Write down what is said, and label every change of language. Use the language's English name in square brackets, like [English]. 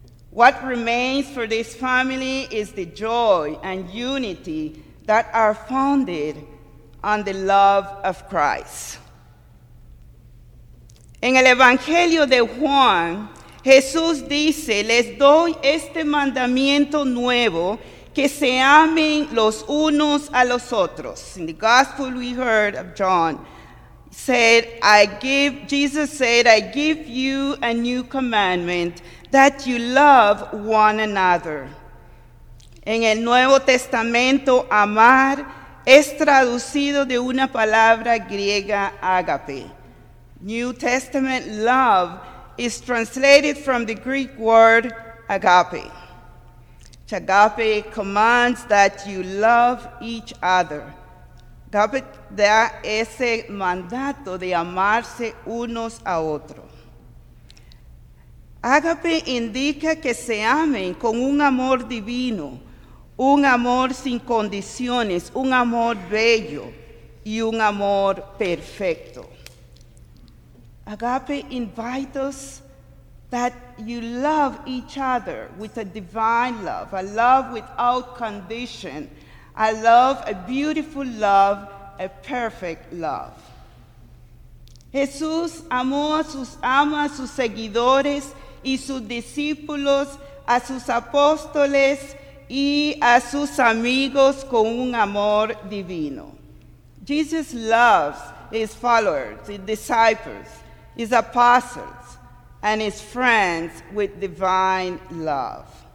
[English] What remains for this family is the joy and unity that are founded on the love of Christ. [Spanish] En el Evangelio de Juan, Jesús dice, les doy este mandamiento nuevo, que se amen los unos a los otros. [English] In the gospel we heard of John, Jesus said, I give you a new commandment, that you love one another. [Spanish] En el Nuevo Testamento, amar es traducido de una palabra griega, agape. [English] New Testament love is translated from the Greek word agape. Agape commands that you love each other. [Spanish] Agape da ese mandato de amarse unos a otros. Agape indica que se amen con un amor divino, un amor sin condiciones, un amor bello y un amor perfecto. [English] Agape invites us that you love each other with a divine love, a love without condition, a love, a beautiful love, a perfect love. [Spanish] Jesús ama a sus seguidores y sus discípulos, a sus apóstoles y a sus amigos con un amor divino. [English] Jesus loves his followers, his disciples, his apostles, and his friends with divine love.